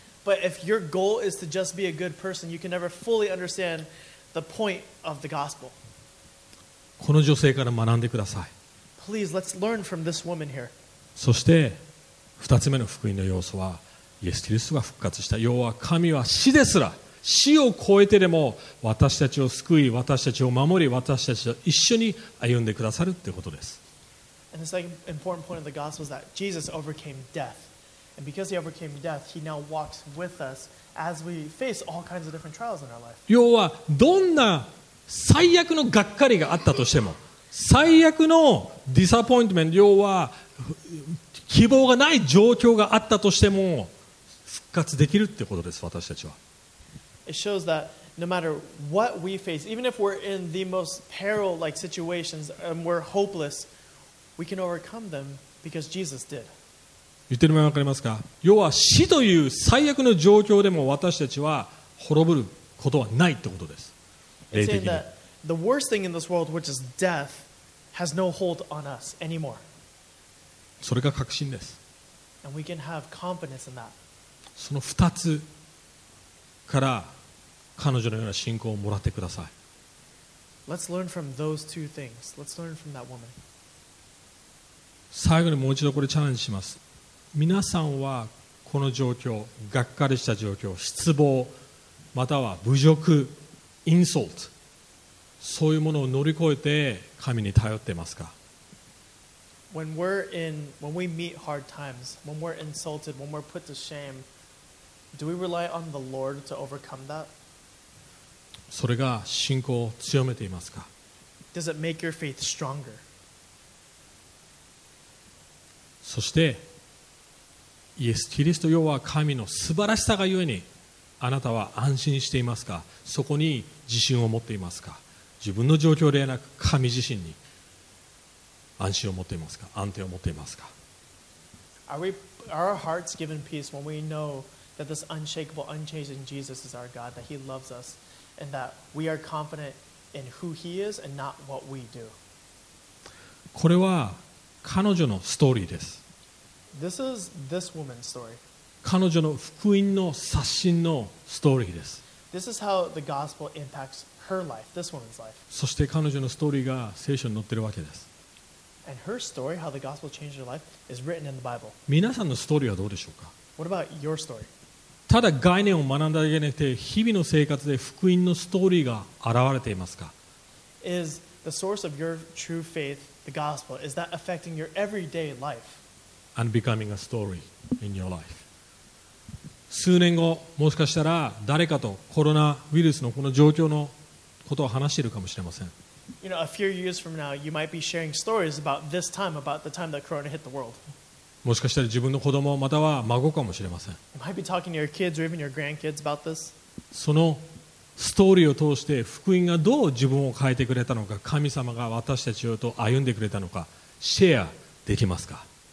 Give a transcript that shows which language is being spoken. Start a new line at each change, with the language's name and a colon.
English: But if your goal is to just be a good person, you can never fully understand the point of the gospel.
Japanese: この女性から学んでください。
English: Please, let's learn from this woman here.
Japanese: そして、二つ目の福音の要素は、イエス・キリストが復活した。要は神は死ですら、死を超えてでも私たちを救い、私たちを守り、私たちと一緒に歩んでくださるということです。
English: And the second important point of the gospel is that Jesus overcame death. And because he overcame death, he now walks with us as we face all kinds of different trials in our life.
Japanese: 要はどんな最悪のがっかりがあったとしても、最悪のディサポイントメント、要は希望がない状況があったとしても、復活できるってことです、私たちは。
English: It shows that no matter what we face, even if we're in the most peril-like situations and we're hopeless, we can overcome them because Jesus did.
Japanese: 言ってる前分かりますか。要は死という最悪の状況でも私たちは滅ぶることはないってことです。霊的に。
English: The worst thing in this world, which is death, has no hold on us anymore.
Japanese: それが確信です。
English: And we can have confidence in that.
Japanese: その二つから彼女のような信仰をもらってください。
English: Let's learn from those two things. Let's learn from that woman.
Japanese: 最後にもう一度これチャレンジします。皆さんはこの状況、がっかりした状況、失望、または侮辱、インソート、そういうものを乗り越えて神に頼っていますか?
English: when we meet hard times, when we're insulted, when we're put to shame, do we rely on the Lord to overcome that?
Japanese: それが信仰を強めていますか?
English: Does it make your faith stronger?
Japanese: そしてイエス・キリスト要は神の素晴らしさがゆえにあなたは安心していますか? そこに自信を持っていますか?自分の状況ではなく神自身に安心を持っていますか?安定を持っていますか?
English: Are our hearts given peace when we know that this unshakable, unchanging Jesus is our God, that He loves us, and that we are confident in who He is and not what we do?
Japanese: これは彼女のストーリーです。
English: This is this woman's story.
Japanese: 彼女の福音の刷新のストーリーです。
English: This is how the gospel impacts her life, this woman's life.
Japanese: そして彼女のストーリーが聖書に載ってるわけです。
English: And her story, how the gospel changed her life, is written in the Bible.
Japanese: 皆さんのストーリーはどうでしょうか?
English: What about your story?
Japanese: ただ概念を学んだだけじゃなくて、日々の生活で福音のストーリーが現れていますか?
English: Is the source of your true faith, the gospel, is that affecting your everyday life? And becoming a story in your life.
Japanese: 数年後、もしかしたら誰かとコロナウイルスのこの状況のことを話しているかもしれません。
English: You know, a few years from now, you might be sharing stories about this time, about the time that Corona hit the world.
Japanese: もしかしたら自分の子供または孫かもしれません。
English: You might be talking to your kids or even your grandkids about this.
Japanese: そのストーリーを通して福音がどう自分を変えてくれたのか、神様が私たちと歩んでくれたのか、シェアできますか?